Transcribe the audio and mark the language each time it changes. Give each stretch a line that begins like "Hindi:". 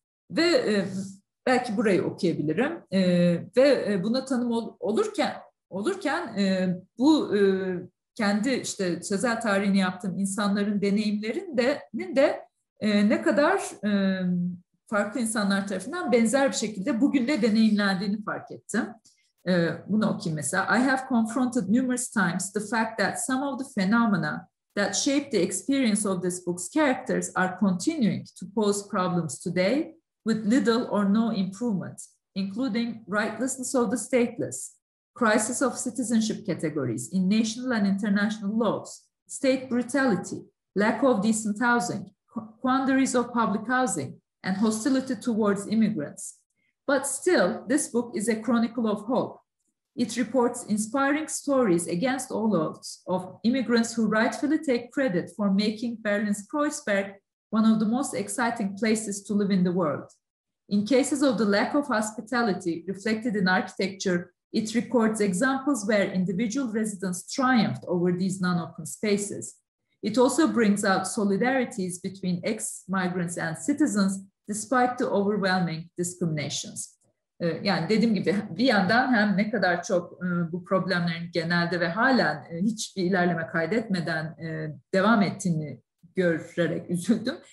Turkish: Ve belki burayı okuyabilirim. Ve buna tanım olurken bu kendi işte sözel tarihini yaptığım insanların deneyimlerinin de ne kadar farklı insanlar tarafından benzer bir şekilde bugün de deneyimlendiğini fark ettim. Bunu okuyayım mesela.
English: I have confronted numerous times the fact that some of the phenomena that shaped the experience of this book's characters are continuing to pose problems today with little or no improvement, including rightlessness of the stateless, crisis of citizenship categories in national and international laws, state brutality, lack of decent housing, quandaries of public housing, and hostility towards immigrants. But still, this book is a chronicle of hope. It reports inspiring stories against all odds of immigrants who rightfully take credit for making Berlin's Kreuzberg one of the most exciting places to live in the world. In cases of the lack of hospitality reflected in architecture, it records examples where individual residents triumphed over these non-open spaces. It also brings out solidarities between ex-migrants and citizens despite the overwhelming discriminations.
Turkish: Yani dediğim gibi bir yandan hem ne kadar çok bu problemlerin genelde ve halen hiçbir ilerleme kaydetmeden devam ettiğini görerek üzüldüm.